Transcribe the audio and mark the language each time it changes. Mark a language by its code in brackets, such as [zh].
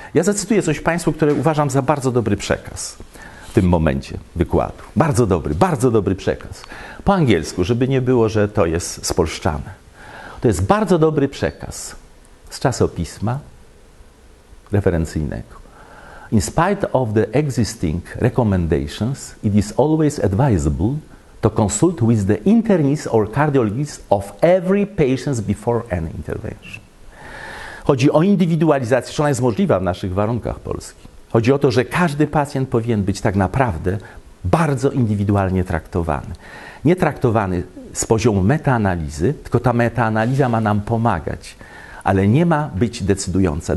[pl] Ja zacytuję coś Państwu, które uważam za bardzo dobry przekaz w tym momencie wykładu. Bardzo dobry przekaz. Po angielsku, żeby nie było, że to jest spolszczane. To jest bardzo dobry przekaz z czasopisma referencyjnego. [en] In spite of the existing recommendations, it is always advisable to consult with the internist or cardiologist of every patient before an intervention. [pl] Chodzi o indywidualizację, czy ona jest możliwa w naszych warunkach Polski. Chodzi o to, że każdy pacjent powinien być tak naprawdę bardzo indywidualnie traktowany. Nie traktowany z poziomu metaanalizy, tylko ta metaanaliza ma nam pomagać, ale nie ma być decydująca.